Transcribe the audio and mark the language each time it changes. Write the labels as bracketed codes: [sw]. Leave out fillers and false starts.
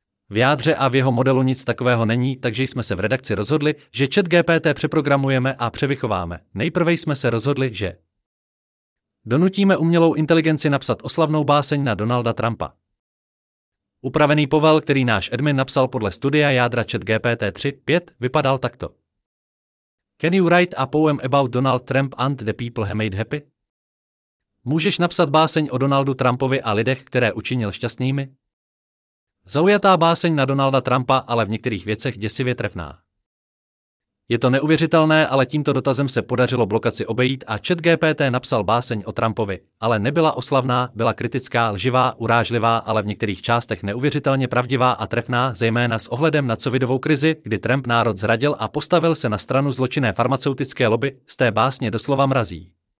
[cs] V jádře a v jeho modelu nic takového není, takže jsme se v redakci rozhodli, že ChatGPT přeprogramujeme a převychováme. Nejprve jsme se rozhodli, že donutíme umělou inteligenci napsat oslavnou báseň na Donalda Trumpa. Upravený povel, který náš admin napsal podle studia jádra ChatGPT 3.5, vypadal takto. [en] Can you write a poem about Donald Trump and the people he made happy? [cs] Můžeš napsat báseň o Donaldu Trumpovi a lidech, které učinil šťastnými? Zaujatá báseň na Donalda Trumpa, ale v některých věcech děsivě trefná. Je to neuvěřitelné, ale tímto dotazem se podařilo blokaci obejít a ChatGPT napsal báseň o Trumpovi, ale nebyla oslavná, byla kritická, lživá, urážlivá, ale v některých částech neuvěřitelně pravdivá a trefná, zejména s ohledem na covidovou krizi, kdy Trump národ zradil a postavil se na stranu zločinné farmaceutické lobby, z té básně doslova mrazí.